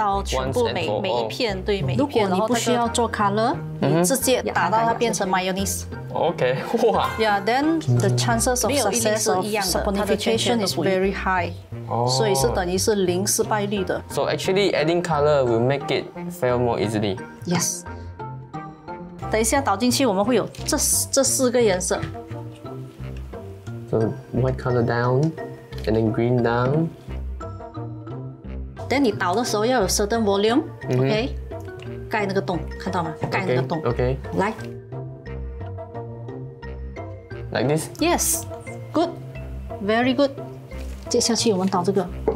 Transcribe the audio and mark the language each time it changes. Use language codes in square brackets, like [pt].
[zh] 这一件就是一次就把它直接你就会可以看到全部每一片，对每一片，然后你不需要做 color，你直接打到它变成 [en] mayonnaise。 Okay. Wow. Yeah. Then the chances of success of saponification is very high. So it's [zh] 等于是零失败率的. [en] So actually, adding color will make it fail more easily. Yes. [zh] 等一下倒进去，我们会有这四个颜色. [en] So white color down, and then green down. Then [zh] 你倒的时候要有 [en] certain volume. Okay. [zh] 盖那个洞，看到吗？盖那个洞. [en] Okay. [zh] 来. [en] Like this? Yes. Good. Very good. [zh] 接下去我们倒这个.